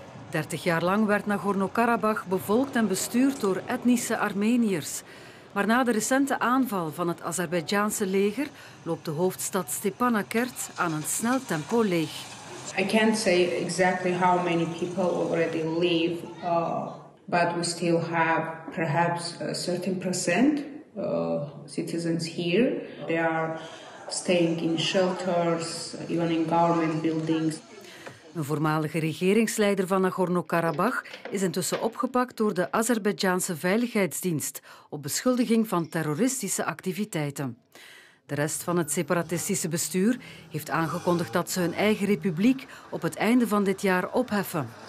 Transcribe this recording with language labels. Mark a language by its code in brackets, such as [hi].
[nl] Dertig jaar lang werd Nagorno-Karabach bevolkt en bestuurd door etnische Armeniërs. Maar na de recente aanval van het Azerbeidzjaanse leger loopt de hoofdstad Stepanakert aan een snel tempo leeg. [en] I can't say exactly how many people already leave, but we still have perhaps a certain percent citizens here. They are staying in shelters, even in government buildings. [nl] Een voormalige regeringsleider van Nagorno-Karabach is intussen opgepakt door de Azerbeidzjaanse Veiligheidsdienst op beschuldiging van terroristische activiteiten. De rest van het separatistische bestuur heeft aangekondigd dat ze hun eigen republiek op het einde van dit jaar opheffen.